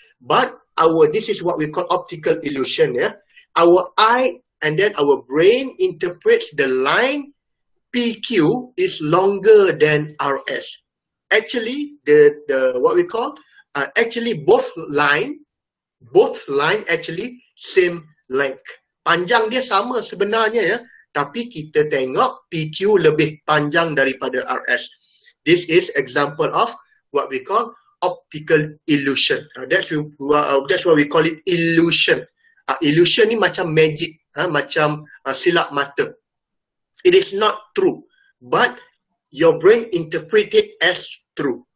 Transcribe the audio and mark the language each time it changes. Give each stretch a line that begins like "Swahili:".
English: But this is what we call optical illusion. Yeah, our eye and then our brain interprets the line PQ is longer than RS. Actually, the what we call actually both line actually same length.
Malay: Panjang dia sama sebenarnya, ya. Tapi kita tengok PQ lebih panjang daripada RS.
English: This is example of what we call optical illusion. That's why we call it illusion.
Malay: Illusion ni macam magic, macam silap mata.
English: It is not true, but your brain interpret it as true.